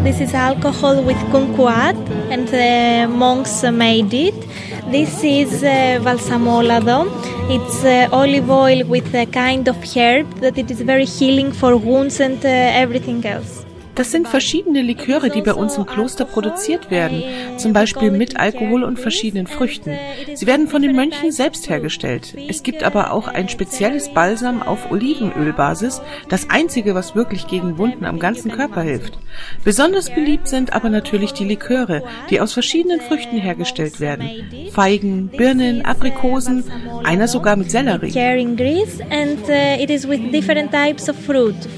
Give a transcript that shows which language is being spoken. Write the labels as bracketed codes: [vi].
[en] This is alcohol with kumquat, and the monks made it. This is balsamolado. It's olive oil with a kind of herb that it is very healing for wounds and everything else. [de] Das sind verschiedene Liköre, die bei uns im Kloster produziert werden, zum Beispiel mit Alkohol und verschiedenen Früchten. Sie werden von den Mönchen selbst hergestellt. Es gibt aber auch ein spezielles Balsam auf Olivenölbasis, das einzige, was wirklich gegen Wunden am ganzen Körper hilft. Besonders beliebt sind aber natürlich die Liköre, die aus verschiedenen Früchten hergestellt werden. Feigen, Birnen, Aprikosen, einer sogar mit Sellerie. [en] In Greece and it is with different types of fruit.